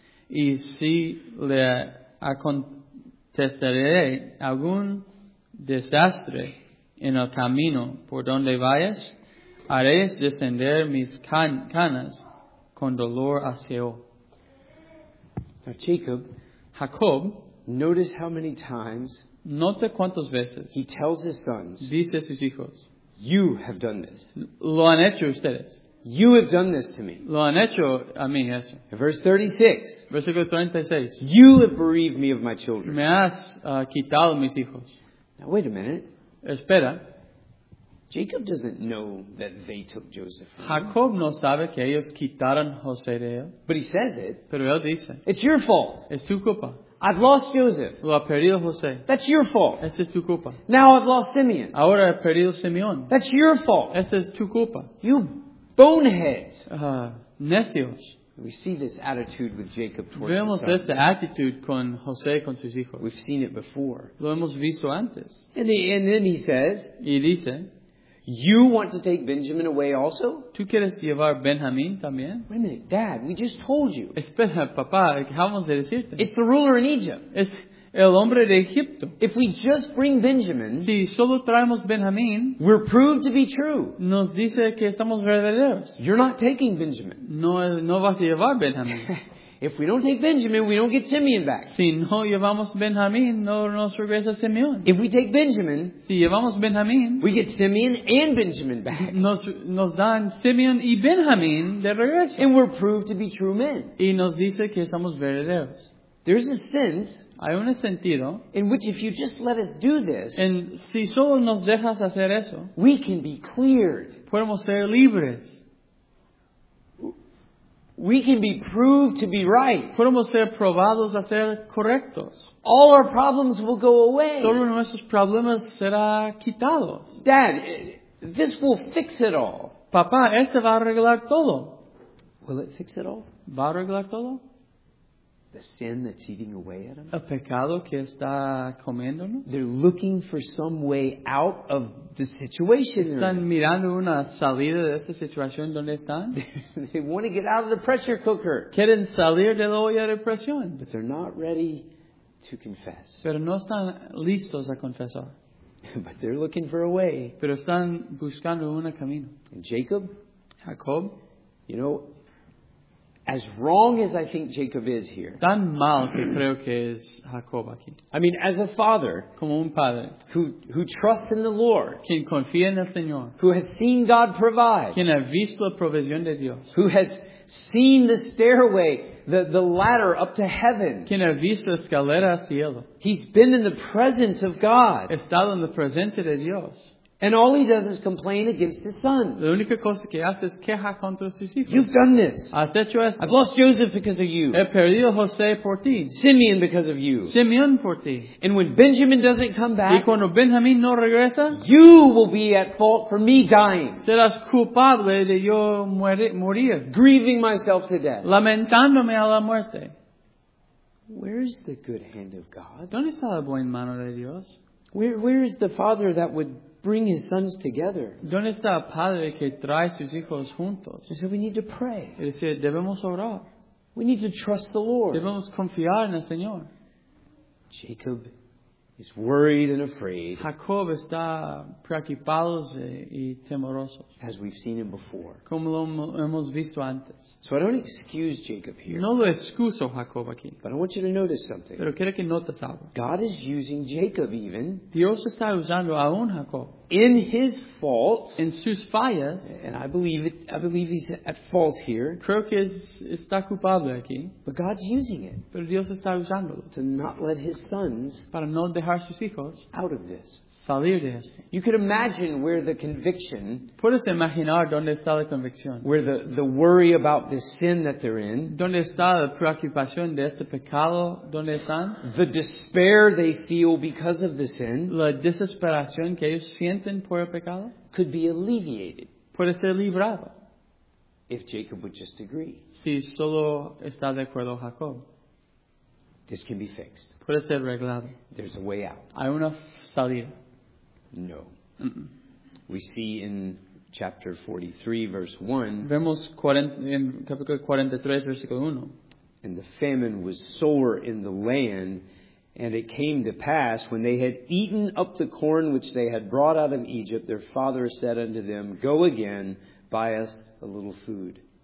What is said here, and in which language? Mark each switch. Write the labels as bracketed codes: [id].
[es] Y si le acontecerá algún desastre en el camino por donde vayas, haréis descender mis canas con dolor a Seol. [en] Now Jacob, notice how many times, [es] nota cuántas veces, [en] he tells his sons, [es] dice a sus hijos, [en] you have done this. [es] Lo han hecho ustedes. [en] You have done this to me. [es] Lo han hecho a mí, [en] yes. Verse 36. You have bereaved me of my children. [es] Me has quitado mis hijos. [en] Now wait a minute. [es] Espera. [en] Jacob doesn't know that they took Joseph. [es] Jacob no sabe que ellos quitaron José de él. [en] But he says it. [es] Pero él dice. [en] It's your fault. [es] Es tu culpa. [en] I've lost Joseph. [es] Lo ha perdido José. [en] That's your fault. [es] Esa es tu culpa. [en] Now I've lost Simeon. [es] Ahora he perdido Simeón. [en] That's your fault. [es] Esa es tu culpa. [en] You boneheads. [es] Necios. [en] We see this attitude with Jacob towards his sons. [es] Vemos esta actitud con José con sus hijos. [en] We've seen it before. [es] Lo hemos visto antes. [en] And then he says. [es] Y dice. [en] You want to take Benjamin away also? [es] ¿Tú quieres llevar Benjamín también? [en] Wait a minute, Dad, we just told you. [es] Espera, papá, acabamos de decirte. [en] It's the ruler in Egypt. [es] Es el hombre de Egipto. [en] If we just bring Benjamin, [es] si solo traemos Benjamín, [en] we're proved to be true. [es] Nos dice que estamos verdaderos. [en] You're not taking Benjamin. [es] No vas a llevar Benjamín. [en] If we don't take Benjamin, we don't get Simeon back. [es] Si no llevamos Benjamín, no nos regresa Simeón. [en] If we take Benjamin, [es] si llevamos Benjamín, [en] we get Simeon and Benjamin back. [es] Nos dan Simeon y Benjamín de regreso. [en] And we're proved to be true men. [es] Y nos dice que somos verdaderos. [en] There's a sense, [es] hay un sentido, [en] in which if you just let us do this, [es] en si solo nos dejas hacer eso, [en] we can be cleared. [es] Podemos ser libres. [en] We can be proved to be right. [es] Podemos ser probados a ser correctos. [en] All our problems will go away. [es] Todos nuestros problemas serán quitados. [en] Dad, this will fix it all. [es] Papá, este va a arreglar todo. [en] Will it fix it all? [es] ¿Va a arreglar todo? [en] The sin that's eating away at him? [es] ¿El pecado que está comiéndonos? [en] They're looking for some way out of the situation. [es] ¿Están mirando una salida de esa situación donde están? [en] They want to get out of the pressure cooker. [es] ¿Quieren salir de la olla de presión? [en] But they're not ready to confess. [es] Pero no están listos a confesar. [en] But they're looking for a way. [es] Pero están buscando un camino. [en] And Jacob? [es] Jacob? [en] You know, as wrong as I think Jacob is here. [es] Tan mal que creo que es Jacob aquí. [en] I mean, as a father, [es] como un padre, [en] who trusts in the Lord, [es] quien confía en el Señor, [en] who has seen God provide, [es] quien ha visto la provisión de Dios, [en] who has seen the stairway, the ladder up to heaven, [es] quien ha visto la escalera al cielo, [en] he's been in the presence of God, [es] estado en la presencia de Dios. [en] And all he does is complain against his sons. [es] La única cosa que hace es queja contra sus hijos. [en] You've done this. [es] Has hecho esto. [en] I've lost Joseph because of you. [es] He perdido José por ti. [en] Simeon because of you. [es] Simeon por ti. [en] And when Benjamin doesn't come back, [es] y cuando Benjamín no regresa, [en] you will be at fault for me dying. [es] Serás culpable de yo morir. [en] Grieving myself to death. [es] Lamentándome a la muerte. [en] Where is the good hand of God? [es] ¿Dónde está la buena mano de Dios? [en] Where is the father that would bring his sons together? [es] ¿Dónde está el padre que trae sus hijos juntos? [en] He said, we need to pray. [es] Él dice, debemos orar. [en] We need to trust the Lord. [es] Debemos confiar en el Señor. [en] Jacob is worried and afraid. [es] Jacob está preocupado y temeroso. [en] As we've seen him before. [es] Como lo hemos visto antes. [en] So I don't excuse Jacob here. [es] No lo excuso Jacob aquí. [en] But I want you to notice something. [es] Pero quiero que notes algo. [en] God is using Jacob even. [es] Dios está usando aún Jacob. [en] in his fault, [es] en sus fallas, [en] and I believe he's at fault here. [es] Creo que está culpable aquí, [en] but God's using it. [es] Pero Dios está usándolo [en] to not let his sons, [es] para no dejar sus hijos, [en] out of this. [es] Salir de esto. [en] You could imagine where the conviction. [es] Puedes imaginar dónde está la convicción. [en] Where the worry about this sin that they're in. [es] Dónde está la preocupación de este pecado. Dónde están. [en] The despair they feel because of the sin. [es] La desesperación que ellos sienten por el pecado. [en] Could be alleviated. [es] Puede ser librado. [en] If Jacob would just agree. [es] Si solo está de acuerdo Jacob. [en] This can be fixed. [es] Puede ser arreglado. [en] There's a way out. [es] Hay una salida. [en] No. Mm-mm. We see in chapter 43, verse 1. [es] Vemos 40, en capítulo 43, versículo 1. [en] And the famine was sore in the land, and it came to pass, when they had eaten up the corn which they had brought out of Egypt, their father said unto them, go again, buy us a little food.